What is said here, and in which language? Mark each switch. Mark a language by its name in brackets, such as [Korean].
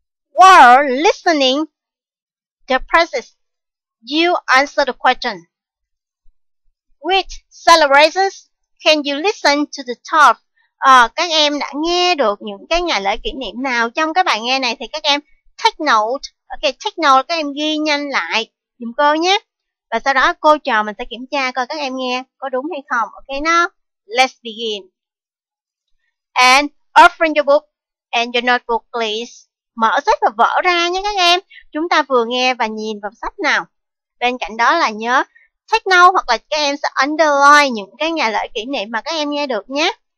[English] While listening the process, you answer the question. Which celebrations can you listen to the talk? [Vietnamese] Các em đã nghe được những cái ngày lễ kỷ niệm nào trong cái bài nghe này thì các em [English] take note. Okay, take note, [Vietnamese] các em ghi nhanh lại giùm cô nhé. Và sau đó cô trò mình sẽ kiểm tra coi các em nghe có đúng hay không. [English] Okay, now let's begin. And open your book and your notebook, please. [Vietnamese] Mở sách và vở ra nhé các em. Chúng ta vừa nghe và nhìn vào sách nào. Bên cạnh đó là nhớ [English] take note [Vietnamese] hoặc là các em sẽ underline những cái ngày lễ kỷ niệm mà các em nghe được nhé.